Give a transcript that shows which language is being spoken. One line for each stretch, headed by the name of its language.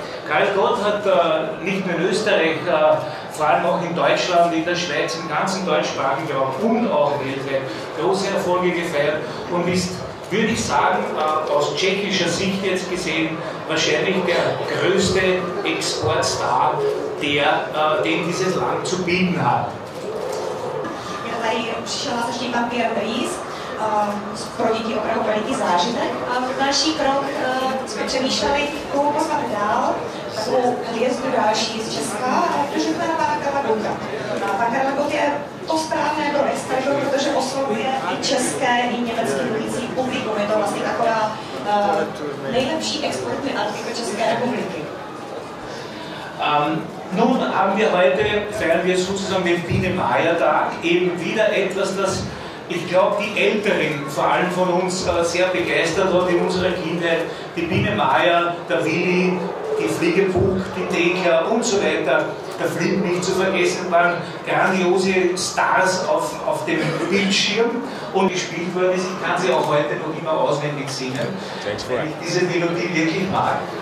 German: Karel Gott hat nicht nur in Österreich, vor allem auch in Deutschland, in der Schweiz, im ganzen deutschsprachigen Raum und auch weltweit große Erfolge gefeiert und ist, würde ich sagen, aus tschechischer Sicht jetzt gesehen, wahrscheinlich der größte Exportstar, den dieses Land zu bieten hat.
Czech: Tady přišel nás ještě pan Pierre Brice, pro děti opravdu veliký zážitek. A další krok jsme přemýšleli, koho poslat dál, takovou hvězdu další z Česka, protože to je pana Karla Gotta. A pan Karel Gott je to správné do respektu, protože oslovuje i české, i německé mluvící publikum. Je to vlastně taková nejlepší exportní atraktivita České republiky.
German: Nun haben wir heute, feiern wir sozusagen den Biene-Maja-Tag, eben wieder etwas, das ich glaube, die Älteren, vor allem von uns, sehr begeistert hat in unserer Kindheit, die Biene Maja, der Willi, die Fliege Puck, die Thekla und so weiter, der Flint nicht zu vergessen, waren grandiose Stars auf dem Bildschirm und gespielt worden ist. Ich kann sie auch heute noch immer auswendig singen, weil ich diese Melodie wirklich mag.